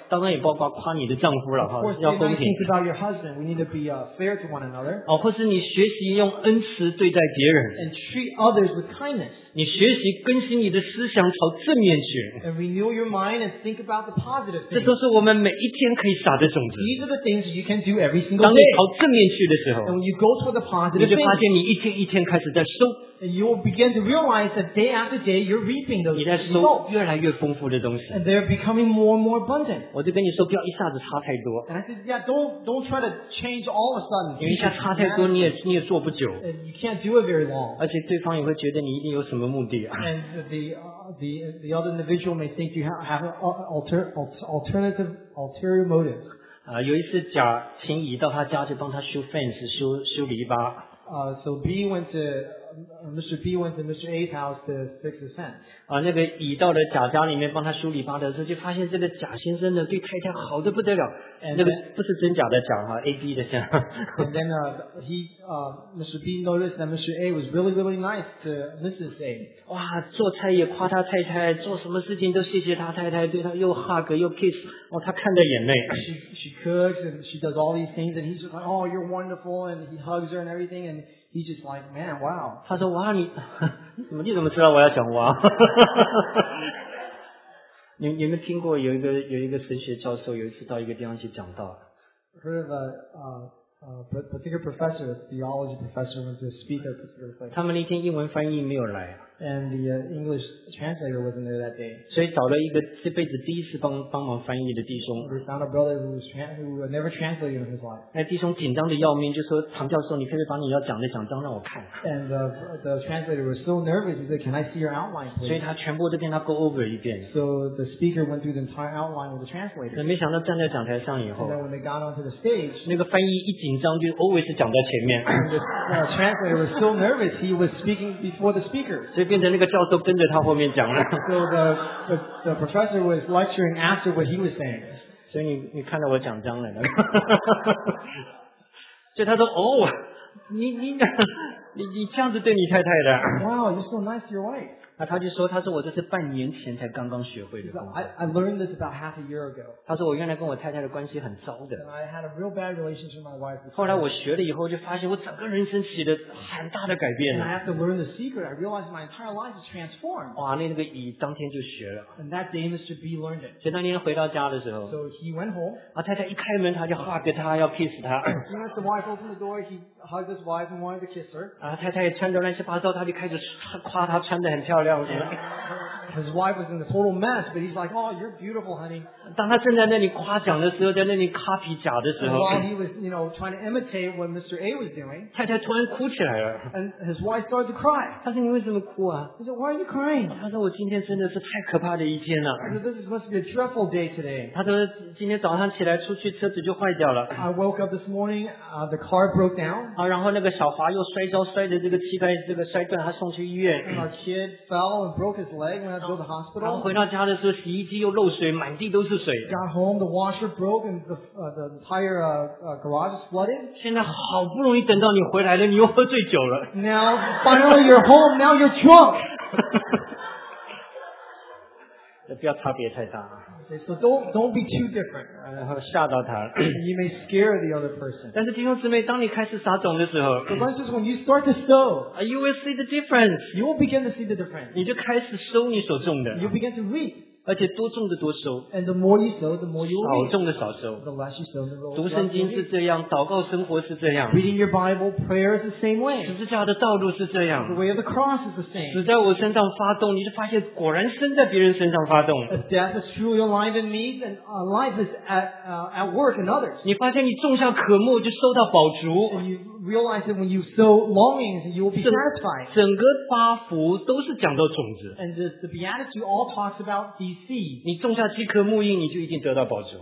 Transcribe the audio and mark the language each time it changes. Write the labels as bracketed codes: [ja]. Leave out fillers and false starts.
[zh] 当然也包括夸你的丈夫了哈，要公平。 [en] Say nice things about your husband. We need to be fair to one another. [zh] 哦，或是你学习用恩慈对待别人。 [en] And treat others with kindness. [zh] 你学习更新你的思想朝正面去。 [en] And renew your mind and think about the positive things. [zh] 这都是我们每一天可以撒的种子。 [en] These are the things you can do every single day. [zh] 当你朝正面去的时候。 [en] And when you go for the positive things. [zh] 你就发现你一天一天开始在收。 [en] And you will begin to realize that day after day you're reaping those results. [zh] 你在收越来越丰富的东西。 [en] And they're becoming more and more abundant. [zh] 我就跟你说，不要一下子差太多。 [en] And I said, yeah, don't try to change all of a sudden. [zh] 因为一下差太多，你也做不久。 [en] And you can't do it very long. [zh] 而且对方也会觉得你一定有什么目的啊。 [en] And the other individual may think you have an ulterior motive. [zh] 有一次甲请乙到他家去帮他修 fence， 修篱笆。 [en] So B went to Mr. B went to Mr. A's house to fix his fence. [zh] 那个乙到了甲家里面帮他修理巴的时候，就发现这个甲先生呢对太太好的不得了。 [en] And、 [zh] 那个不是真假的甲哈 ，A B 的甲。 [en] And then Mr. B noticed that Mr. A was really really nice to Mrs. A. [zh] 哇，做菜也夸他太太，做什么事情都谢谢他太太，对他又 hug 又 kiss， 哦，他看着眼泪。 [en] She cooks and she does all these things and he's just like, oh, you're wonderful, and he hugs her and everything and. He's just like, man, wow. [zh] 他说哇你怎么你怎么知道我要讲哇你有没有听过有一个神学教授有一次到一个地方去讲道 [en] Heard of a particular professor, a theology professor, was a speaker at a particular place. [zh] 他们那天英文翻译没有来。 [en] And the English translator wasn't there that day. [zh] 所以找了一个这辈子第一次帮忙翻译的弟兄。 [en] We found a brother who never translated in his life. [zh] 那弟兄紧张的要命，就说：“唐教授，你可以把你要讲的讲章让我看。 [en] ”And the translator was so nervous. He said, "Can I see your outline?" [zh] 所以他全部都跟他 [en] go over [zh] 一遍。 [en] So the speaker went through the entire outline with the translator. [zh] 没想到站在讲台上以后 [en] ，And then when they got onto the stage, [zh] 那个翻译一紧张就 [en] always [zh] 讲在前面。 [en] The translator was so nervous. He was speaking before the speaker. [zh] 所以变成那个教授跟着他后面讲了。 [en] So the professor was lecturing after what he was saying. [zh] 所以你看到我讲章了。所以他说哦，你这样子对你太太的。 [en] Wow, you're so nice to your wife. [zh] 那他就说，他说我这是半年前才刚刚学会的。 [en] I learned this about half a year ago. [zh] 他说我原来跟我太太的关系很糟的。 [en] And I had a real bad relationship with my wife. [zh] 后来我学了以后，就发现我整个人生起了很大的改变。 [en] And I have to learn the secret. I realized my entire life is transformed. [zh] 哇，那个乙当天就学了。 [en] And that day, Mr. B learned it. [zh] 所以那天回到家的时候 [en] ，So he went home. [zh] 啊，太太一开门，他就 hug 他，要 kiss 他。 [en] He met the wife, opened the door, he hugged his wife and wanted to kiss her. [zh] 啊，太太穿着乱七八糟，他就开始夸她穿得很漂亮。 [en] His wife was in a total mess, but he's like, "Oh, you're beautiful, honey." [zh] 当他正在那里夸奖的时候，在那里 [en] copy [zh] 假的时候 [en] ，while he was, you know, trying to imitate what Mr. A was doing, [zh] 太太突然哭起来了。 [en] And his wife started to cry. [zh] 他说：“你为什么哭啊？” [en] He said, "Why are you crying?" [zh] 他说：“我今天真的是太可怕的一天了。” [en] He said, "This must be a dreadful day today." [zh] 他说：“今天早上起来出去，车子就坏掉了。” [en] I woke up this morning, the car broke down. [zh] 啊，然后那个小华又摔跤，摔的这个膝盖这个摔断，他送去医院。 [en] Our kid fell and broke his leg when I drove the hospital. [zh] 然后回到家的时候，洗衣机又漏水，满地都是水。 [en] Got home, the washer broke and the entire garage is flooded. [zh] 现在好不容易等到你回来了，你又喝醉酒了。 [en] Now finally you're home. Now you're drunk. [zh] 这不要差别太大。 [en] So don't be too different. [zh] 吓到他。 [en] You may scare the other person. [zh] 但是弟兄姊妹，当你开始撒种的时候 [en] ，The verse is when you start to sow, you will see the difference. You will begin to see the difference. [zh] 你就开始收你所种的。 [en] You begin to reap. [zh] 而且多种的多收。 [en] And the more you sow, the more you reap. [zh] 少种的少收。 [en] The less you sow, the more you reap. [zh] 读圣经是这样，祷告生活是这样。 [en] Reading your Bible, prayer is the same way. [zh] 十字架的道路是这样。 [en] The way of the cross is the same. [zh] 死在我身上发动，你就发现果然生在别人身上发动。 [en] If death is true, you'll life in me and life is at work in others. [zh] 你发现你种下渴慕就收到饱足。 [en] And you realize that when you sow longings, you will be satisfied. [zh] 整个八福都是讲到种子。 [en] And the Beatitude all talks about these seeds. [zh] 你种下饥渴慕义，你就一定得到饱足。